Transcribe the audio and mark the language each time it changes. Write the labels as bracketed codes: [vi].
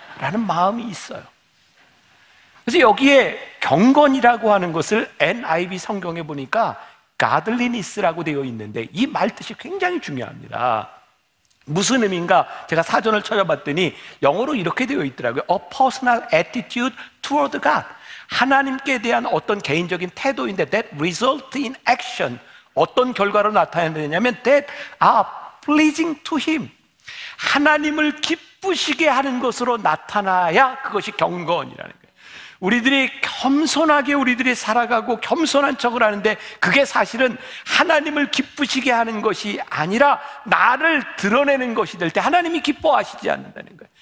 [ko] 라는 마음이 있어요. 그래서 여기에 경건이라고 하는 것을 NIV 성경에 보니까 Godliness라고 되어 있는데 이 말뜻이 굉장히 중요합니다. 무슨 의미인가? 제가 사전을 찾아봤더니 영어로 이렇게 되어 있더라고요. [en] A personal attitude toward God. [ko] 하나님께 대한 어떤 개인적인 태도인데 [en] that result in action. [ko] 어떤 결과로 나타나냐면 [en] that are pleasing to him. [ko] 하나님을 기쁘시게 하는 것으로 나타나야 그것이 경건이라는 거예요. 우리들이 겸손하게 우리들이 살아가고 겸손한 척을 하는데 그게 사실은 하나님을 기쁘시게 하는 것이 아니라 나를 드러내는 것이 될 때 하나님이 기뻐하시지 않는다는 거예요.